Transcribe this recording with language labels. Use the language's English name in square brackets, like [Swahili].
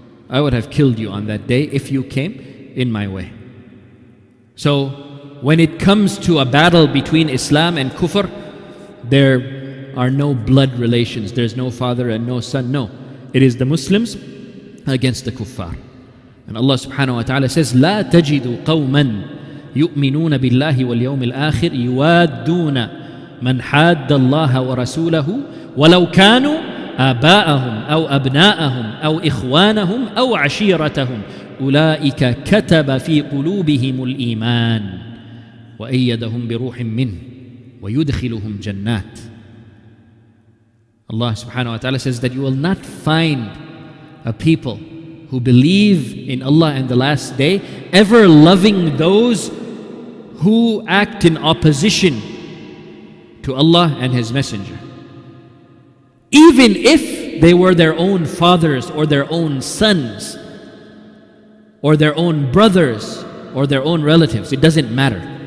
[English] I would have killed you on that day if you came in my way." So when it comes to a battle between Islam and Kufr, there are no blood relations. There's no father and no son. No, it is the Muslims against the Kuffar. And Allah subhanahu wa ta'ala says, [Arabic] لا تجد قوما يؤمنون بالله واليوم الآخر يوادون من حاد الله ورسوله ولو كانوا آباءهم أو أبناءهم أو إخوانهم أو عشيرتهم أولئك كتب في قلوبهم الإيمان وأيدهم بروح منه ويدخلهم جنات. [English] Allah subhanahu wa ta'ala says that you will not find a people who believe in Allah and the last day ever loving those who act in opposition to Allah and His Messenger, even if they were their own fathers or their own sons or their own brothers or their own relatives. It doesn't matter.